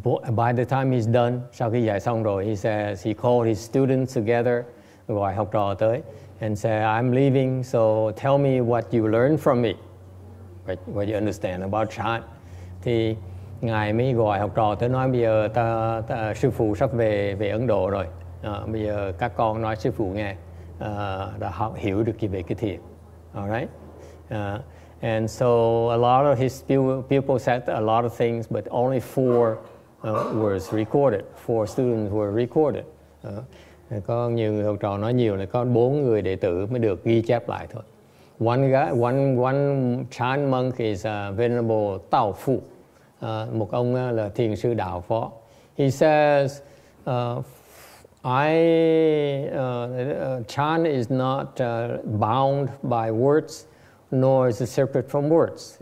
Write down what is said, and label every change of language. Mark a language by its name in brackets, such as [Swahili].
[English] By the time he's done, [Vietnamese] sau khi dạy xong rồi, [English] he called his students together, [Vietnamese] gọi học trò tới, [English] and said, "I'm leaving, so tell me what you learned from me, what you understand about Chan." [Vietnamese] Thì ngài mới gọi học trò tới nói, bây giờ ta sư phụ sắp về Ấn Độ rồi. Bây giờ các con nói sư phụ nghe, đã học hiểu được gì về cái thiền. [English] All right? And so a lot of his pupils said a lot of things, but only four students were recorded. [Vietnamese] Có nhiều người học trò nói nhiều là có bốn người đệ tử mới được ghi chép lại thôi. [English] One Chan monk is Venerable Tao Fu, [Vietnamese] một ông là thiền sư Đạo Phó. [English] He says, Chan is not bound by words, nor is it separate from words.